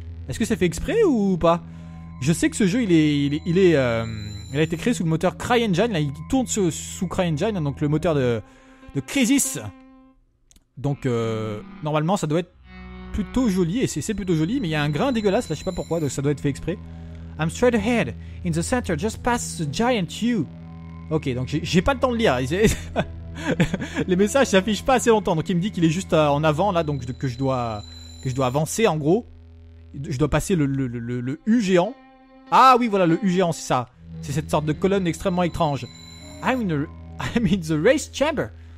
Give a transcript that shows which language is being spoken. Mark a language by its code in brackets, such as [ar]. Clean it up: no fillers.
[fr] Est-ce que c'est fait exprès ou pas? Je sais que ce jeu, il a été créé sous le moteur CryEngine. Là, il tourne sous CryEngine, donc le moteur de Crysis. Donc, normalement, ça doit être plutôt joli. Et c'est plutôt joli, mais il y a un grain dégueulasse, là. Je sais pas pourquoi, donc ça doit être fait exprès. [en] I'm straight ahead, in the center, just past the giant U. [fr] Ok, donc j'ai pas le temps de lire. Les messages s'affichent pas assez longtemps. Donc il me dit qu'il est juste en avant là, donc que je dois avancer en gros. Je dois passer le U géant. Ah oui, voilà, le U géant, c'est ça. C'est cette sorte de colonne extrêmement étrange. [en] I'm in the race chamber.